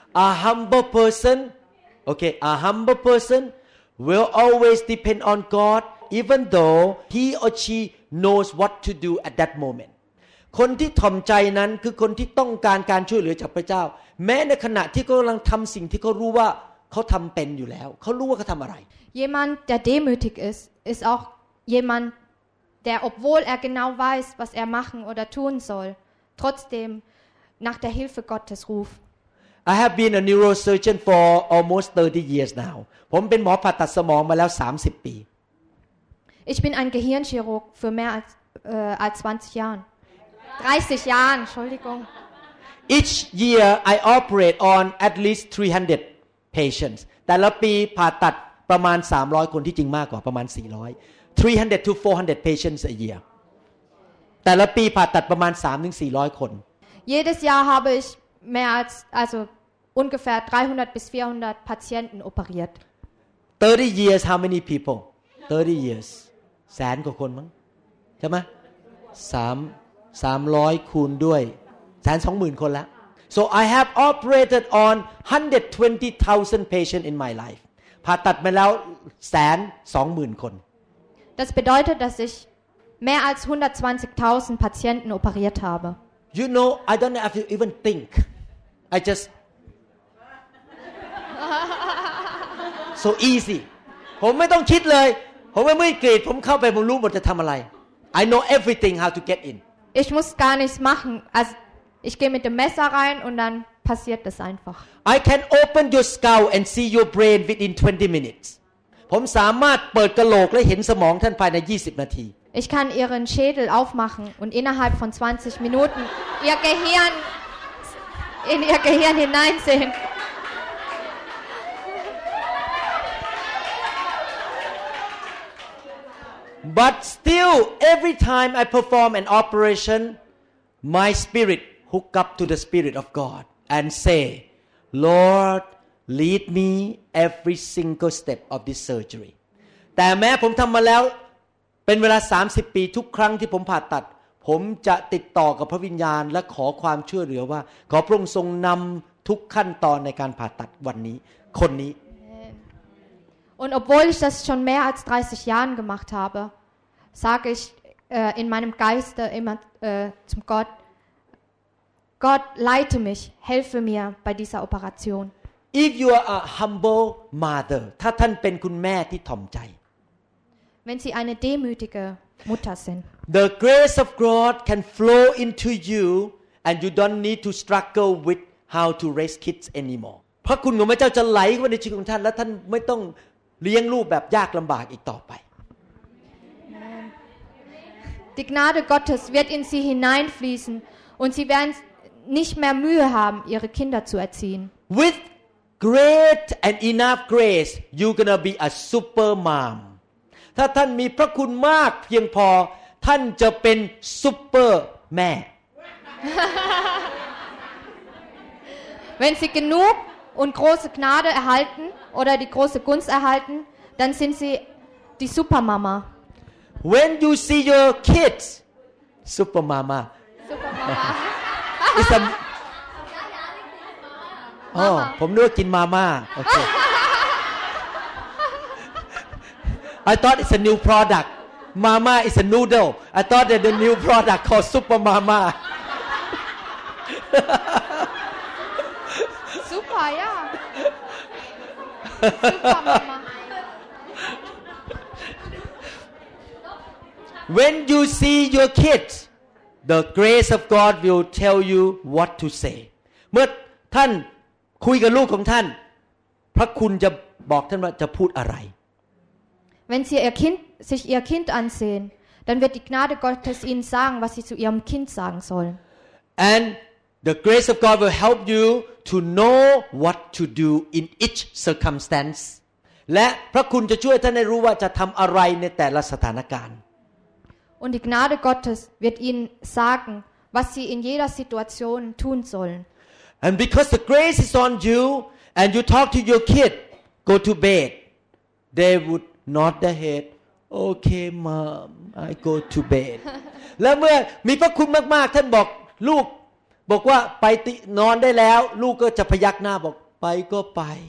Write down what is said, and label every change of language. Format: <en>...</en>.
<en>A humble person okay a humble person will always depend on God even though he or she knows what to do at that moment</en> <th>คนที่ถ่อมใจนั้นคือคนที่ต้องการการช่วยเหลือจากพระเจ้าแม้ในขณะที่เขากำลังทำสิ่งที่เขารู้ว่าเขาทำเป็นอยู่แล้วเขารู้ว่าเขาทำอะไร</th> <de>Jemand der demütig ist ist auch jemand der obwohl er genau weiß was er machen oder tun soll trotzdem nach der Hilfe Gottes ruft</de> <en>I have been a neurosurgeon for almost 30 years now.</en> <th>ผมเป็นหมอผ่าตัดสมองมาแล้ว30ปี</th> <de>Ich bin ein Gehirnchirurg für mehr als, als 20 Jahren. 30 Jahren, Entschuldigung.</de> <en>Each year I operate on at least 300 patients.</en> <th>แต่ละปีผ่าตัดประมาณ300คนที่จริงมากกว่าประมาณ400.</th> <en>300 to 400 patients a year.</en> <th>แต่ละปีผ่าตัดประมาณ 3-400 คน</th> <de>Jedes Jahr habe ich mehr als also ungefähr 300 bis 400 Patienten operiert.</de> <en>30 years how many people? 30 years.</en> <th>แสนกว่าคนมั้งใช่มั้ย300คูณด้วย 120,000 คนแล้ว</th> <en>So I have operated on 120,000 patients in my life.</en> <th>ผ่าตัดมาแล้ว 120,000 คน</th> <de>Das bedeutet, dass ich mehr als 120,000 Patienten operiert habe.</de> <en>You know, I don't have to even think. I just So easy.</en> <th>ผมไม่ต้องคิดเลยผมไม่ต้องกรีดผมเข้าไปผมรู้หมดจะทำอะไร</th> <en>I know everything how to get in.</en> <de>Ich muss gar nichts machen. Also ich gehe mit dem Messer rein und dann passiert das einfach.</de> <en>I can open your skull and see your brain within 20 minutes.</en> <th>ผมสามารถเปิดกะโหลกและเห็นสมองท่านภายใน20นาที</th> <de>Ich kann ihren Schädel aufmachen und innerhalb von 20 Minuten ihr Gehirn in ihr Gehirn hineinsehen.</de> <en>But still, every time I perform an operation, my spirit hook up to the spirit of God and say, Lord, lead me every single step of this surgery.</en> <th>แต่แม้ผมทำมาแล้วเป็นเวลา30ปีทุกครั้งที่ผมผ่าตัดผมจะติดต่อกับพระวิญญาณและขอความช่วยเหลือว่าขอพระองค์ทรงนำทุกขั้นตอนในการผ่าตัดวันนี้คนนี้</th> <de>Und obwohl ich das schon mehr als 30 Jahren gemacht habe, sage ich in meinem Geiste immer zum Gott, Gott, leite mich, helfe mir bei dieser Operation.</de> <en>If you are a humble mother,</en> <th>ถ้าท่านเป็นคุณแม่ที่ถ่อมใจ</th> <de>Wenn Sie eine demütige Mutter sind.</de> <en>The grace of God can flow into you and you don't need to struggle with how to raise kids anymore.</en> <th>พระคุณของพระเจ้าจะไหลเข้าในชีวิตของท่านและท่านไม่ต้องเลี้ยงลูกแบบยากลำบากอีกต่อไป</th> <de>Die Gnade Gottes wird in Sie hineinfließen und Sie werden nicht mehr Mühe haben, Ihre Kinder zu erziehen.</de> <en>With great and enough grace, you're gonna be a super mom.</en> <th>ถ้าท่านมีพระคุณมากเพียงพอท่านจะเป็นซุปเปอร์แ</th> <de>ม่ Wenn Sie genug und große Gnade erhalten oder die große Gunst erhalten, dann sind Sie die Supermama.</de> <en>When you see your kids, Supermama. Supermama.</en> <th>ผมนึกกินมาม่าโอเค</th> <en>I thought it's a new product. Mama is a noodle. I thought that the new product called Super Mama. Super, yeah. Super Mama. When you see your kids, the grace of God will tell you what to say.</en> <th>เมื่อท่านคุยกับลูกของท่านพระคุณจะบอกท่านว่าจะพูดอะไร</th> <de>Wenn Sie Ihr Kind, sich Ihr Kind ansehen, dann wird die Gnade Gottes Ihnen sagen, was Sie zu Ihrem Kind sagen sollen.</de> <en>And the grace of God will help you to know what to do in each circumstance.</en> <th>และพระคุณจะช่วยท่านให้รู้ว่าจะทำอะไรในแต่ละสถานการณ์</th> <de>Und die Gnade Gottes wird Ihnen sagen, was Sie in jeder Situation tun sollen.</de> <en>And because the grace is on you, and you talk to your kid, go to bed, they wouldNot the head. Okay, mom. I go to bed.</en> <th>แล้วเมื่อมีพระคุณมากๆท่านบอกลูกบอกว่าไปนอนได้แล้วลูกก็จะพยักหน้าบอกไปก็ไป</th>